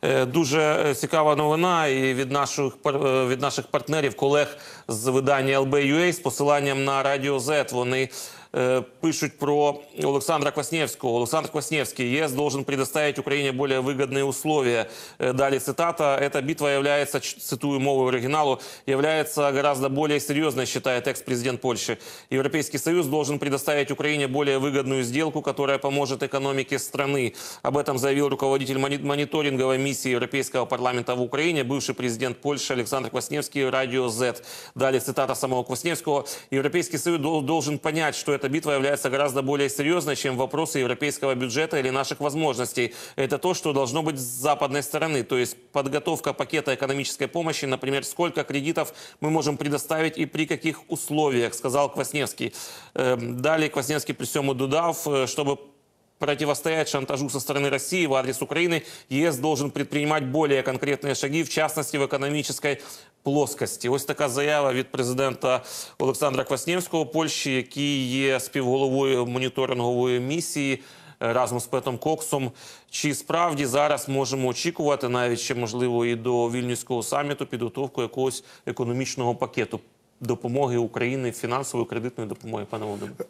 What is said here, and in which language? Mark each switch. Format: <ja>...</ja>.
<uk>Дуже цікава новина і від наших партнерів, колег з видання LBUA з посиланням на Радіо Z. Вони пишуть про Олександра Кваснєвського. Олександр Кваснєвський: «ЄС</uk> <ru>должен предоставить</ru> <uk>Україні більш вигідні</uk> <ru>условия».</ru> <uk>Далі цитата.</uk> <ru>«Эта битва является,</ru> <uk>цитую мову оригіналу,</uk> <ru>является гораздо более серйозной, считает экс-президент Польши. Европейский Союз должен предоставить Украине более выгодную сделку, которая поможет экономике страны». Об этом заявил руководитель мониторинговой миссии Европейского парламента в Украине, бывший президент Польши Олександр Кваснєвський, Радіо Z. Далі цитата самого Кваснєвського. «Европейский Союз должен понять, что эта битва является гораздо более серьезной, чем вопросы европейского бюджета или наших возможностей. Это то, что должно быть с западной стороны. То есть подготовка пакета экономической помощи, например, сколько кредитов мы можем предоставить и при каких условиях», сказал Кваснєвський. Далее Кваснєвський</ru> <uk>при всьому додав,</uk> <ru>чтобы противостоять шантажу со стороны России в адрес Украины, ЕС должен предпринимать более конкретные шаги, в частности, в экономической плоскості.</ru> <uk>Ось така заява від президента Олександра Кваснєвського Польщі, який є співголовою моніторингової місії разом з Петом Коксом. Чи справді зараз можемо очікувати, навіть ще можливо і до Вільнюського саміту, підготовку якогось економічного пакету допомоги Україні, фінансової, кредитної допомоги, пане Володимире?</uk>